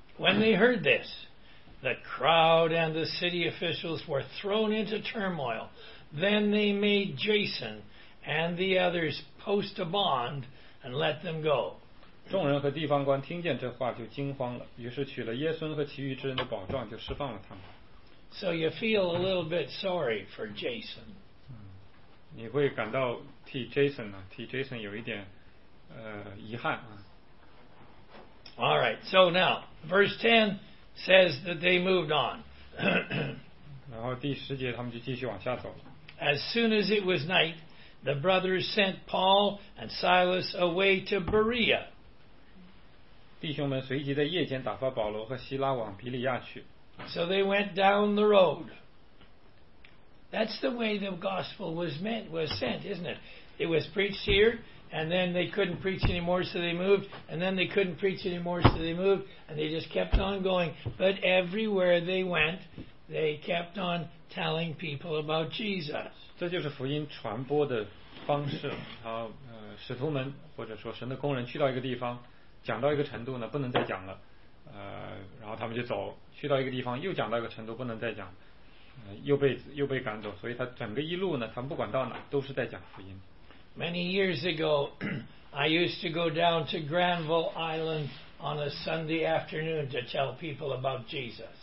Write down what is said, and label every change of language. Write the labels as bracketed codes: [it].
[en] When they heard this, the crowd and the city officials were thrown into turmoil. Then they made Jason and the others post a bond and let them go. [zh] 众人和地方官听见这话就惊慌了，于是取了耶孙和其余之人的保障，就释放了他们。 [en] So you feel a little bit sorry for Jason. [zh] 你会感到替 Jason 呢，替 Jason 有一点遗憾啊。 [en] All right. So now, verse 10 says that they moved on. [zh] 然后第十节他们就继续往下走。 [en] As soon as it was night, the brothers sent Paul and Silas away to Berea. [zh] 弟兄们随即在夜间打发保罗和希拉往比利亚去。 [en] So they went down the road. That's the way the gospel was sent, isn't it? It was preached here, and then they couldn't preach anymore, so they moved, and then they couldn't preach anymore, so they moved, and they just kept on going. But everywhere they went, they kept on telling people about Jesus. [zh] 这就是福音传播的方式。好，使徒们或者说神的工人去到一个地方，讲到一个程度呢，不能再讲了。然后他们就走，去到一个地方，又讲到一个程度，不能再讲，又被赶走。所以他整个一路呢，他们不管到哪，都是在讲福音。 [en] Many years ago, I used to go down to Granville Island on a Sunday afternoon to tell people about Jesus.